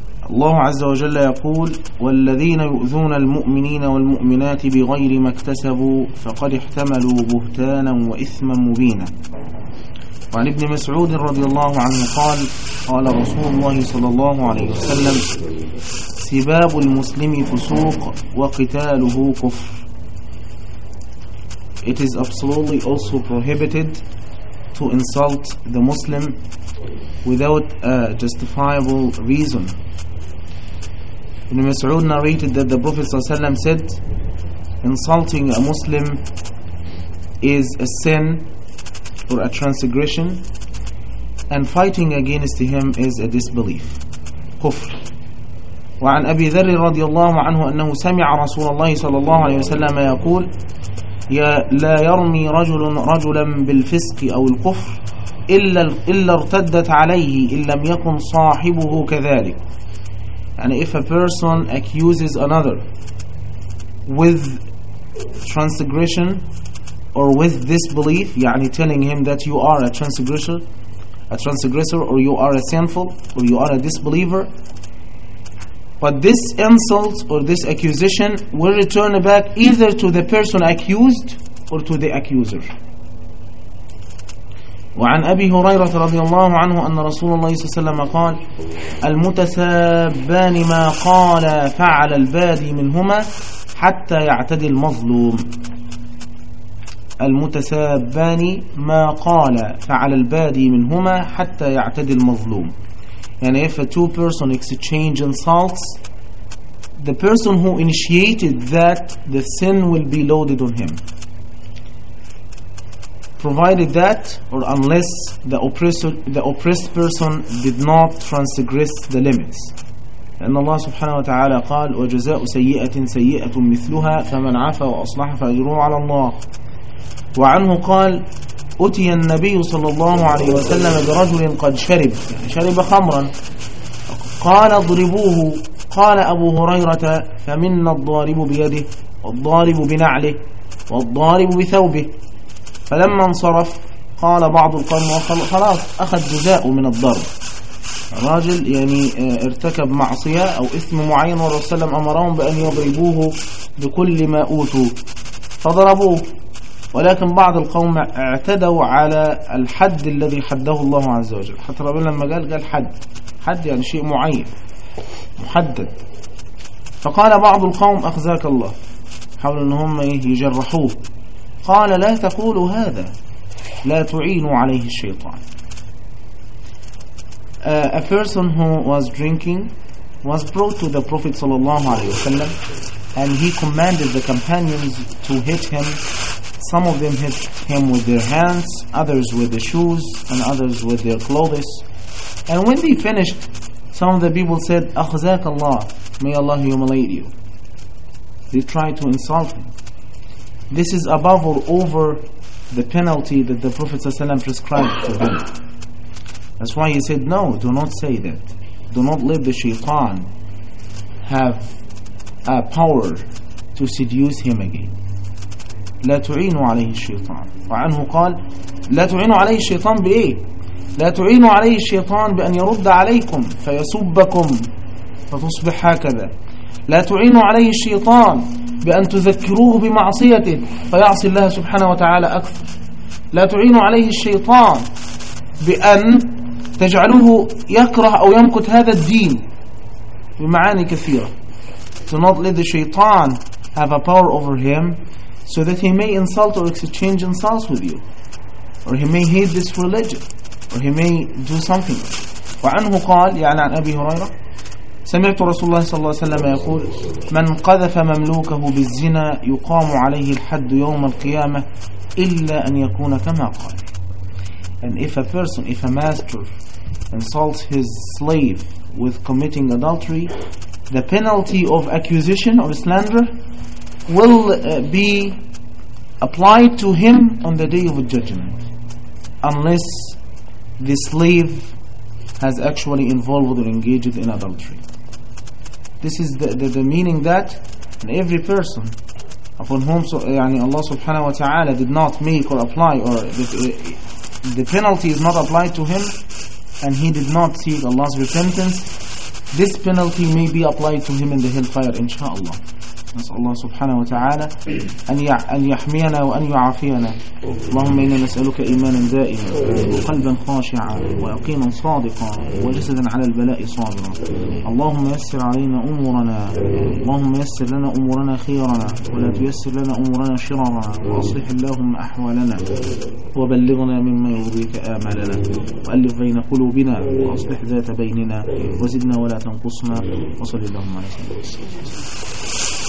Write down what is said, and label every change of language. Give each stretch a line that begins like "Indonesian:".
Arabic: الله عز وجل يقول: والذين يؤذون المؤمنين والمؤمنات بغير ما اكتسبوا فقد احتملوا بهتانا وإثما مبينا. وعن ابن مسعود رضي الله عنه قال: قال رسول الله صلى الله عليه وسلم: سباب المسلم فسوق وقتاله كفر.
English: It is absolutely also prohibited to insult the Muslim without a justifiable reason. Ibn Mas'ud narrated that the Prophet ﷺ said, insulting a Muslim is a sin or a transgression, and fighting against him is a disbelief.
Arabic: Kufr. وعن أبي ذر رضي الله عنه أنه سمع رسول الله صلى الله عليه وسلم يقول: يا لا يرمي رجل رجلا بالفسق أو الكفر إلا ارتدت عليه إن لم يكن صاحبه كذلك.
English: And if a person accuses another with transgression or with disbelief, يعني telling him that you are a transgressor or you are a sinful or you are a disbeliever, but this insult or this accusation will return back either to the person accused or to the accuser.
Arabic: وعن أبي هريرة رضي الله عنه أن رسول الله صلى الله عليه وسلم قال: المتسابان ما قال فعل البادي منهما حتى يعتدي المظلوم. المتسابان ما قال فعل البادي منهما حتى يعتدي المظلوم.
English: يعني if a two person exchange insults, the person who initiated that, the sin will be loaded on him. Provided that, or unless the oppressed person did not transgress the limits.
Arabic: لأن الله سبحانه وتعالى قال: وجزاء سيئة سيئة مثلها فمن عفا وأصلح فأجره على الله. وعنه قال: أتي النبي صلى الله عليه وسلم برجل قد شرب، يعني شرب خمرا، قال: اضربوه. قال أبو هريرة: فمن الضارب بيده والضارب بنعله والضارب بثوبه. فلما انصرف قال بعض القوم: خلاص أخذ جزاء من الضرب. الراجل يعني ارتكب معصية أو إثم معين، والرسول صلى الله عليه وسلم أمرهم بأن يضربوه بكل ما أوتوا فضربوه، ولكن بعض القوم اعتدوا على الحد الذي حده الله عز وجل. حتى ربنا لما قال حد يعني شيء معين محدد. فقال بعض القوم: أخزاك الله، حاولوا أن هم يجرحوه. قال: لا تقولوا هذا، لا تعينوا عليه الشيطان.
English: A person who was drinking was brought to the Prophet
Arabic: صلى الله عليه وسلم,
English: and he commanded the companions to hit him. Some of them hit him with their hands, others with their shoes, and others with their clothes. And when they finished, some of the people said,
Arabic: أخزاك الله,
English: may Allah humiliate you. They tried to insult him. This is above or over the penalty that the Prophet ﷺ prescribed to him. That's why he said, no, do not say that. Do not let the shaitan have a power to seduce him again.
Arabic: لا تعينوا عليه الشيطان. وعنه قال: لا تعينوا عليه الشيطان بإيه؟ لا تعينوا عليه الشيطان بأن يرد عليكم فيسبكم فتصبح هكذا. لا تعينوا عليه الشيطان بأن تذكروه بمعصيته فيعصي الله سبحانه وتعالى أكثر. لا تعينوا عليه الشيطان بأن تجعلوه يكره أو يمكت هذا الدين. بمعاني كثيرة.
English: Do not let the shaitan have a power over him so that he may insult or exchange insults with you, or he may hate this religion, or he may do something.
Arabic: وعنه قال يعني عن أبي هريرة: سمعت رسول الله صلى الله عليه وسلم يقول: من قذف مملوكه بالزنا يقام عليه الحد يوم القيامة إِلَّا أَنْ يَكُونَ كَمَا قَالِ.
English: And if a person, if a master insults his slave with committing adultery, the penalty of accusation of slander will be applied to him on the day of judgment, unless the slave has actually involved or engaged in adultery. This is the meaning that every person upon whom so, Allah subhanahu wa ta'ala did not make or apply, or the penalty is not applied to him, and he did not seek Allah's repentance, this penalty may be applied to him in the hellfire, inshaAllah.
Arabic: نسأل الله سبحانه وتعالى أن يحمينا وأن يعافينا. اللهم إنا نسألك إيمانا دائما وقلبا خاشعا ويقينا صادقا وجسدا على البلاء صابرا. اللهم يسر علينا أمورنا، اللهم يسر لنا أمورنا خيرنا، ولا تيسر لنا أمورنا شررا، وأصلح اللهم أحوالنا، وبلغنا مما يرضيك آمالنا، وألف بين قلوبنا، وأصلح ذات بيننا، وزدنا ولا تنقصنا، وصل اللهم على سيدنا محمد.